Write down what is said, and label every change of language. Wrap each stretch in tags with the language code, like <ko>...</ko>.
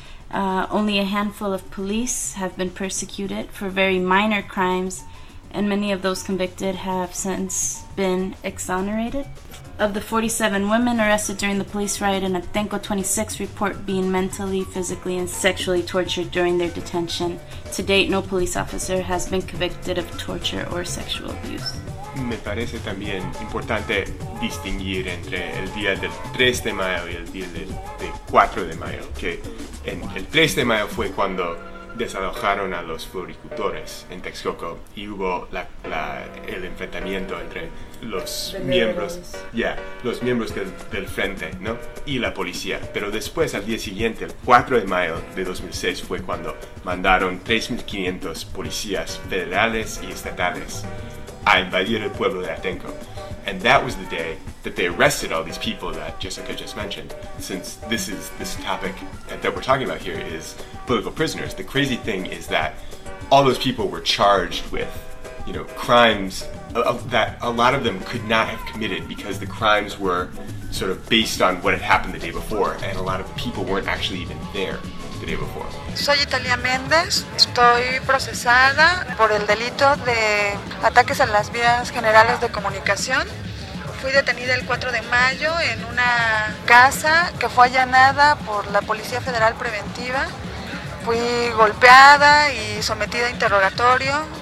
<en>Only a handful of police have been persecuted for very minor crimes, and many of those convicted have since been exonerated. Of the 47 women arrested during the police riot in Atenco, 26 report being mentally, physically, and sexually tortured during their detention. To date, no police officer has been convicted of torture or sexual abuse.</en> <es>Me parece también importante distinguir entre el día del 3 de mayo y el día del 4 de mayo, que en el 3 de mayo fue cuando desalojaron a los floricultores en Texcoco y hubo el enfrentamiento entre los miembros del frente, ¿no? Y la policía. Pero después, al día siguiente, el 4 de mayo de 2006, fue cuando mandaron 3,500 policías federales y estatales a invadir el pueblo de Atenco.</es> <en>And that was the day that they arrested all these people that Jessica just mentioned. Since this topic that we're talking about here is political prisoners, the crazy thing is that all those people were charged with, you know, crimes that a lot of them could not have committed because the crimes were sort of based on what had happened the day before, and a lot of the people weren't actually even there the day before.</en> <es>Soy Italia Méndez. Estoy procesada por el delito de ataques a las vías generales de comunicación. Fui detenida el 4 de mayo en una casa que fue allanada por la Policía Federal Preventiva. Fui golpeada y sometida a interrogatorio.</es>